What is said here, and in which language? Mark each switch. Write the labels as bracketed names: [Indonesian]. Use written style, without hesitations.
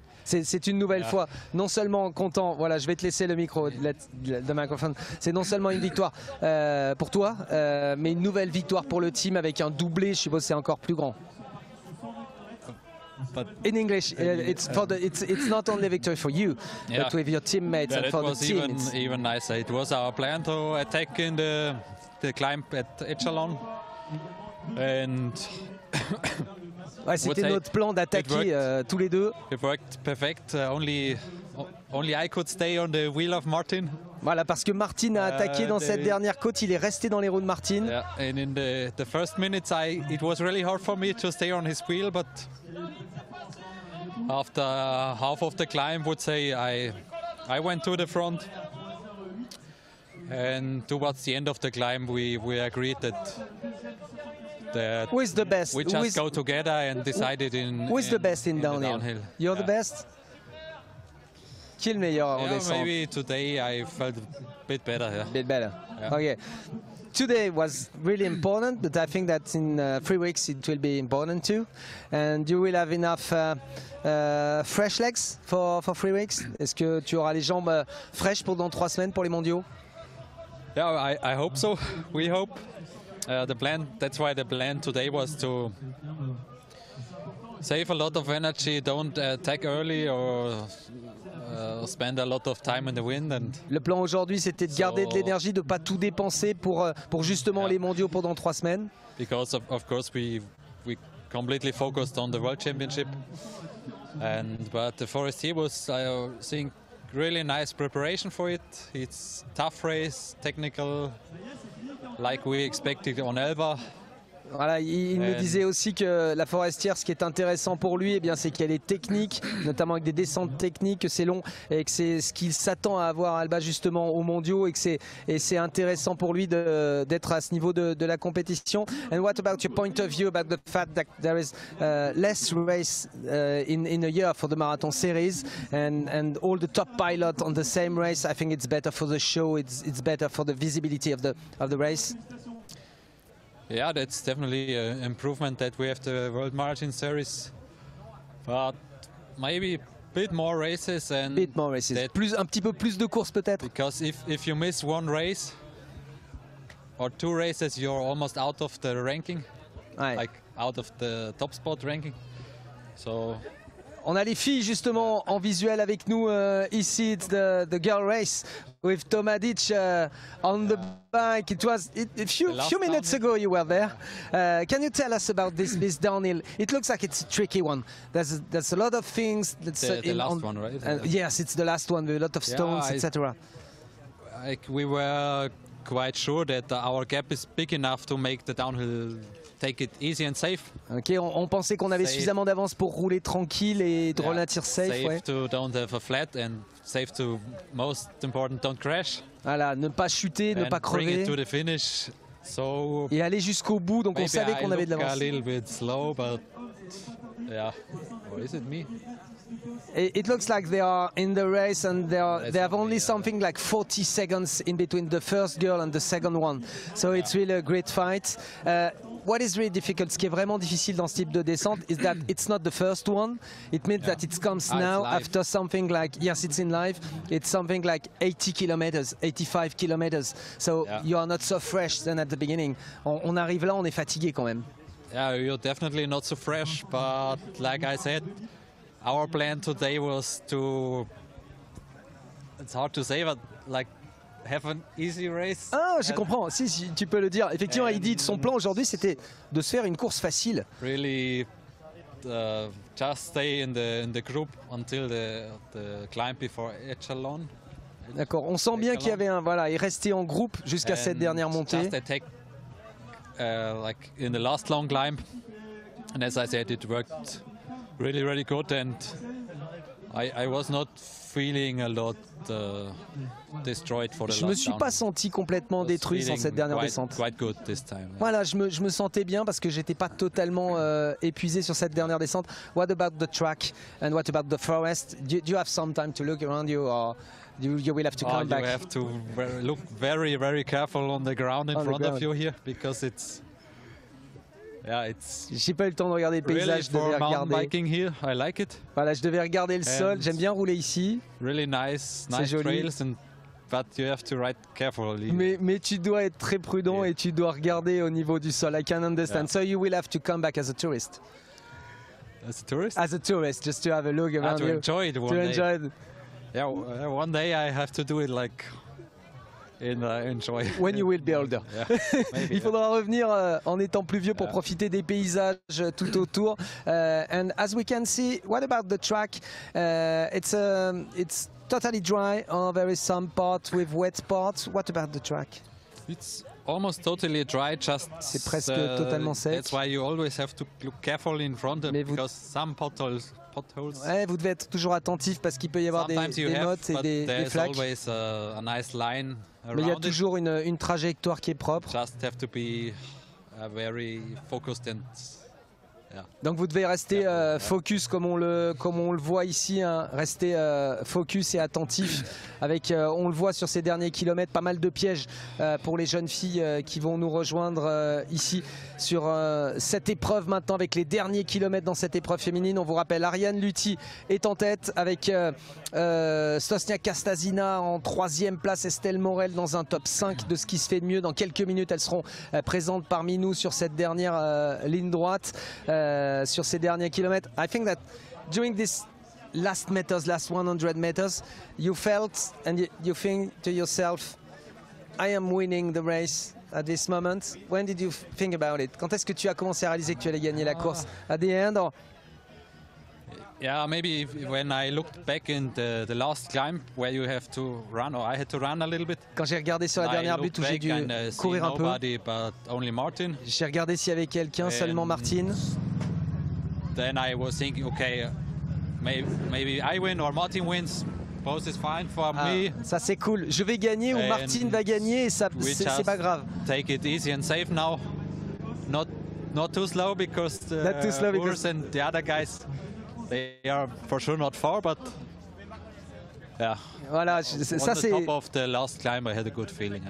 [French] C'est une nouvelle fois, non seulement content, voilà, je vais te laisser le micro, le microphone. C'est non seulement une victoire pour toi, mais une nouvelle victoire pour le team avec un doublé, je suppose c'est encore plus grand. [English] In English, it's not only a victory for you, but with your teammates and for the team. It was even nicer. It was our plan to attack in the climb at Echelon. And... [French] Ouais, c'était notre plan d'attaquer tous les deux. [English] It worked perfect. Only I could stay on the wheel of Martin. [French] Voilà, parce que Martin a attaqué dans cette dernière côte. Il est resté dans les roues de Martin. [English] Yeah. And in the first minutes, it was really hard for me to stay on his wheel, but after half of the climb, would say I went to the front. And towards the end of the climb, we agreed that. Who is the best? We just go together and decided in. Who is the best in downhill? You're the best. [French] Qui est le meilleur en descente? [English] Maybe today I felt a bit better. Yeah. A bit better. Yeah. Okay. Today was really important, but I think that in 3 weeks it will be important too, and you will have enough fresh legs for 3 weeks. [French] Est-ce que tu auras les jambes fraîches pour dans 3 semaines pour les mondiaux? [English] Yeah, I hope so. We hope. The plan. That's why the plan today was to save a lot of energy, don't attack early, or spend a lot of time in the wind. And [French] le plan aujourd'hui, c'était de garder de l'énergie, de pas tout dépenser pour justement les mondiaux pendant 3 semaines. [English] Because of course we completely focused on the world championship, but the Forest here was, I think, really nice preparation for it. It's tough race, technical. Like we expected on Elva. [French] Voilà, il nous disait aussi que la Forestière, ce qui est intéressant pour lui, eh bien, c'est qu'elle est technique, notamment avec des descentes techniques, que c'est long et que c'est ce qu'il s'attend à avoir à Alba justement aux mondiaux et que c'est intéressant pour lui d'être à ce niveau de la compétition. [English] And what about your point of view about the fact that there is less race in a year for the marathon series and all the top pilots on the same race? I think it's better for the show, it's better for the visibility of the race. Yeah, that's definitely an improvement that we have the World Marathon Series, but maybe a bit more races and bit more races. Plus un petit peu plus de courses peut-être. Because if you miss one race or two races, you're almost out of the ranking, aye. Like out of the top spot ranking. So. [French] On a les filles justement en visuel avec nous ici. [English] It's the girl race with Tomadic on the bike. It was a few minutes ago you were there. Can you tell us about this downhill? It looks like it's a tricky one. There's a lot of things. That's the last one, right? Yes, it's the last one with a lot of stones, etc. Like we were quite sure that our gap is big enough to make the downhill. Take it easy and safe. [French] Okay, on pensait qu'on avait safe. Suffisamment d'avance pour rouler tranquille et de relatir safe. [English] Safe to don't have a flat and safe to most important don't crash. [French] Voilà, ne pas chuter, [English] and [French] ne pas crever. [English] Bring it to the finish. So [French] et aller jusqu'au bout. Donc on savait qu'on avait de l'avance. [English] A little bit slow, but yeah, or is it me? It looks like they are in the race and they have only something like 40 seconds in between the first girl and the second one. So it's really a great fight. What is really difficult, [French] ce qui est vraiment difficile dans ce type de descente, [English] is that it's not the first one. It means that it comes now after something like, yes, it's in life. It's something like 80 kilometers, 85 kilometers. So you are not so fresh than at the beginning. [French] On arrive là, on est fatigué quand même. [English] Yeah, you're definitely not so fresh, but like I said, our plan today was to, it's hard to say, but like, have an easy race. [French] Ah, je comprends. Si tu peux le dire. Effectivement, il dit son plan aujourd'hui, c'était de se faire une course facile. [English] Really, just stay in the group until the climb before Echelon. [French] D'accord. On sent bien qu'il y avait il restait en groupe jusqu'à cette dernière montée. [English] Just attack, like in the last long climb. And as I said, it worked really, really good. And I was not feeling a lot destroyed for the [French] last. Je me suis pas senti complètement détruit sans cette dernière descente. [English] Quite good this time. [French] Voilà, je me sentais bien parce que j'étais pas totalement épuisé sur cette dernière descente. [English] What about the track and what about the forest? Do you have some time to look around you or you will have to come back? You have to look very very careful on the ground in front of you here because it's [French] j'ai pas eu le temps de regarder le paysage, [English] really [French] je devais regarder. [English] Biking here, I like it. [French] Voilà, je devais regarder le [English] and [French] sol, j'aime bien rouler ici. [English] Really nice, nice [French] c'est joli. [English] Trails and, but you have to ride carefully. [French] Mais tu dois être très prudent et tu dois regarder au niveau du sol. [English] I can understand. Yeah. So you will have to come back as a tourist. As a tourist? As a tourist, just to have a look around to enjoy it one to day. Enjoy it. Yeah, one day I have to do it like in enjoy. When you will be older. Yeah, maybe, [French] il faudra revenir en étant plus vieux pour profiter des paysages tout autour. [English] And as we can see, what about the track? It's totally dry on a very some part with wet parts. What about the track? It's almost totally dry, just [French] c'est presque totalement sec. [English] That's why you always have to look carefully in front of because some potholes. [French] Ouais, vous devez être toujours attentif parce qu'il peut y avoir des notes et des flaques. [English] Always a nice line around. [French] Mais il y a toujours une trajectoire qui est propre. [English] Just have to be very focused and, [French] donc vous devez rester focus comme on le voit ici, hein. Rester focus et attentif. Avec, on le voit sur ces derniers kilomètres, pas mal de pièges pour les jeunes filles qui vont nous rejoindre ici sur cette épreuve maintenant avec les derniers kilomètres dans cette épreuve féminine. On vous rappelle, Ariane Lutti est en tête avec Stosnia Kastasina en troisième place, Estelle Morel dans un top 5 de ce qui se fait de mieux. Dans quelques minutes, elles seront présentes parmi nous sur cette dernière ligne droite, sur ces derniers kilomètres. [English] I think that during this last meters, last 100 meters, you felt and you think to yourself, I am winning the race at this moment. When did you think about it? [French] Quand est-ce que tu as commencé à réaliser que tu allais gagner la course? [English] At the end? Or? Yeah, maybe when I looked back in the last climb where you have to run, or I had to run a little bit. [French] Quand j'ai regardé sur la dernière butte où j'ai dû courir un peu, j'ai regardé s'il y avait quelqu'un, seulement Martin. [English] Then I was thinking, okay, maybe I win or Martin wins. Both is fine for me. [French] Ça c'est cool. Je vais gagner ou Martin va gagner et ça c'est pas grave. [English] Take it easy and safe now. Not too slow because Urs and the other guys. They are for sure not far, but yeah. [French] Voilà, ça c'est. [English] On the top of the last climb, I had a good feeling.